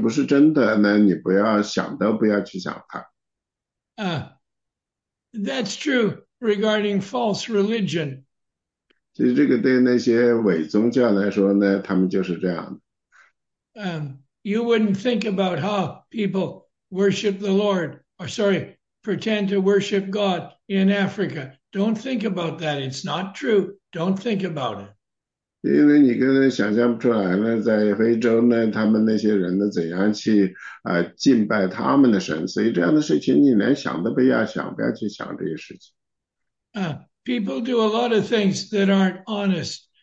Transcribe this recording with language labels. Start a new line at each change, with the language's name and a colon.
Chinese: 所以呢，如果这个事情不是真的，那你不要想都不要去想它。
English: That's true regarding false religion.
Chinese: 其实这个对那些伪宗教来说呢，他们就是这样的。
English: You wouldn't think about how people worship the Lord, or sorry, pretend to worship God in Africa. Don't think about that. It's not true. Don't think about it.
Chinese: 因为你跟人想象不出来呢，在非洲呢，他们那些人呢，怎样去敬拜他们的神？所以这样的事情，你连想都不要想，不要去想这些事情。
English: People do a lot of things that aren't honest.